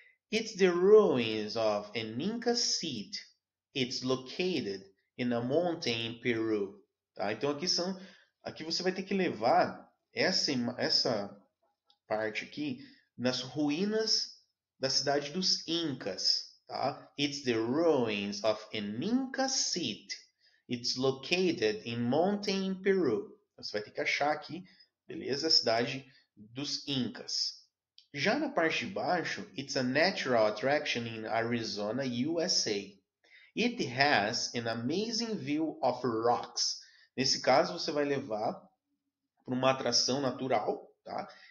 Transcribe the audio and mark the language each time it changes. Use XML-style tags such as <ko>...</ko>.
<en>It's the ruins of an Inca seat. It's located in a mountain in Peru. Tá?</en> <pt>Então aqui você vai ter que levar essa parte aqui nas ruínas da cidade dos Incas, tá?</pt> <en>It's the ruins of an Inca seat. It's located in mountain in Peru.</en> <pt>Você vai ter que achar aqui, beleza? A cidade dos Incas. Já na parte de baixo,</pt> <en>it's a natural attraction in Arizona, USA. It has an amazing view of rocks.</en> <pt>Nesse caso, você vai levar para uma atração natural, tá?</pt>